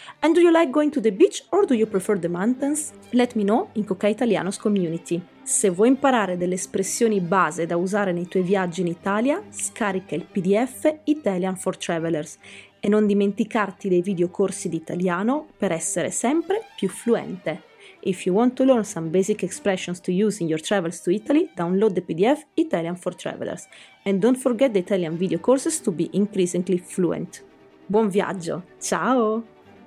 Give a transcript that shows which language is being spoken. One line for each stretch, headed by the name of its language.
English: And do you like going to the beach or do you prefer the mountains? Let me know in Cocai Italiano's community.
Italian: Se vuoi imparare delle espressioni base da usare nei tuoi viaggi in Italia, scarica il PDF Italian for Travelers e non dimenticarti dei videocorsi di italiano per essere sempre più fluente.
English: If you want to learn some basic expressions to use in your travels to Italy, download the PDF Italian for Travelers. And don't forget the Italian video courses to be increasingly fluent.
Italian: Buon viaggio! Ciao!